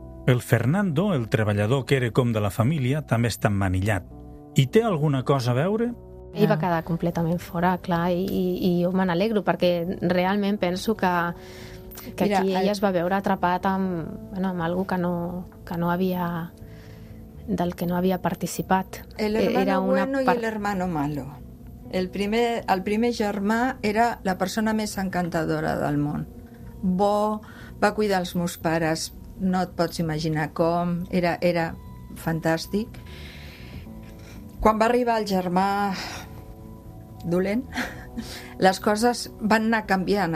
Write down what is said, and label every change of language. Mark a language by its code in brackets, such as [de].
[ca] El Fernando, el treballador que era com de la família, també està emmanillat. Hi té alguna cosa a veure? Ell va quedar completament fora, clar, i jo me n'alegro, perquè realment penso que mira, aquí ell es va veure atrapat amb, bueno, amb algú que no havia, del que no havia participat. [es] El hermano bueno y el hermano malo. [ca] El primer germà era la persona més encantadora del món. Bo, va cuidar els meus pares, no et pots imaginar com, era fantàstic. Quan va arribar el germà dolent, les coses van anar canviant.